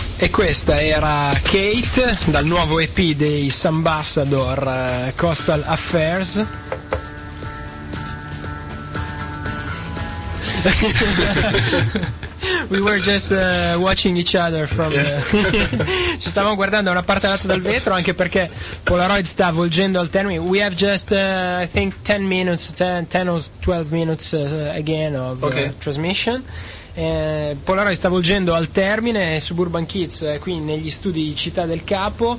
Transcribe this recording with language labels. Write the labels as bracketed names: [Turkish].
[Italian] questa era Kate dal nuovo EP dei Sambassador, Coastal Affairs. [English] We were just watching each other from [Italian] ci stavamo guardando da una parte all'altra dal vetro, anche perché Polaroid sta volgendo al termine. [English] We have just I think 10 or 12 minutes again of transmission. [Italian] Polaroid sta volgendo al termine. Suburban Kids qui negli studi di Città del Capo.